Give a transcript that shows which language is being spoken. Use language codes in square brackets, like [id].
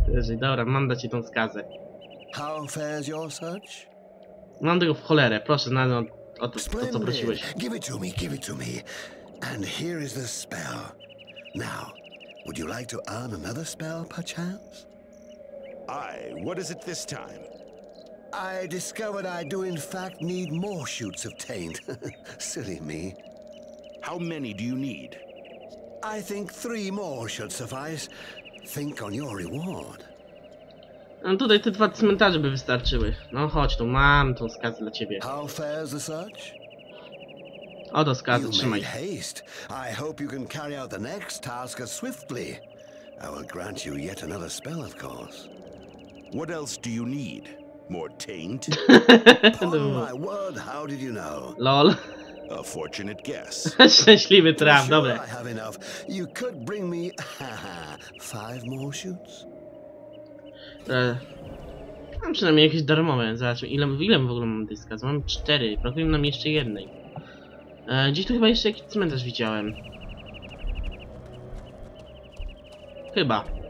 [pl] Dobra, mam dać ci tą skazę. [en] How fares your search? [pl] Mam tego w cholerę, proszę, znajdę o co prosiłeś. [en] Give it to me. And here is the spell. Now, would you like to earn another spell, perchance? Aye, what is it this time? I discovered I do in fact need more shoots of taint. Silly me. How many do you need? I think 3 more should suffice. Think on your reward. [pl] No tutaj te 2 cmentarze by wystarczyły. No chodź, tu mam tą skazę dla ciebie. [en] How fares the search? [pl] Oto skazę, trzymaj. [en] You made haste. I hope you can carry out the next task as swiftly. I will grant you yet another spell, of course. What else do you need? More taint? My word, how did you know? Lol. A fortunate guess. [pl] Szczęśliwy traf, dobre. [en] I have enough. You could bring me 5 more shoots. [pl] Mam przynajmniej jakieś darmowe. Zobaczmy, ile w ogóle mam dyska. Mam 4, brakuje nam jeszcze jednej. Gdzieś tu chyba jeszcze jakiś cmentarz widziałem. Chyba.